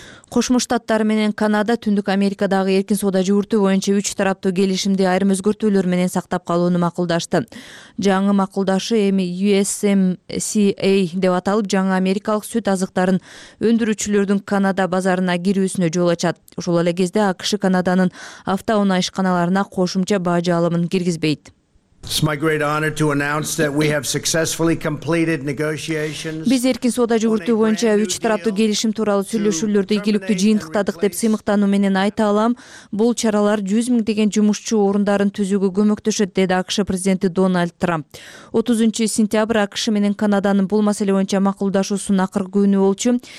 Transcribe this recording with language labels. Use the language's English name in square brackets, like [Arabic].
[Kyrgyz] Кошмо Штаттар менен Канада Түндүк Америкадагы эркин соода жүгүртү боюнча 3 тараптуу келишимди айрым өзгөртүүлөр менен сактап калууну макулдашты. Жаңы макулдашы эми USMCA деп аталып, жаңы америкалык сүт азыктарын өндүрүүчүлөрдүн Канада базарына кирүүсүнө жол ачат. Ошол эле кезде АКШ Канаданын автоунаа ишканаларына кошумча бажы алымын киргизбейт. [English] It's my great honor to announce that we have successfully completed negotiations. [Kyrgyz] Биз эркин соода жүгүртүү боюнча 3 тараптуу келишим тууралуу сүйлөшүүлөрдү ийгиликтүү жыйынтыктадык деп сыймыктануу менен айта алам. Бул чаралар 100 миң деген жумушчу орундарын түзүүгө көмөктөшөт, деди АКШ президенти Дональд Трамп. 30 сентябрь АКШ менен Канаданын бул маселе боюнча макулдашуусунун акыркы күнү болчу.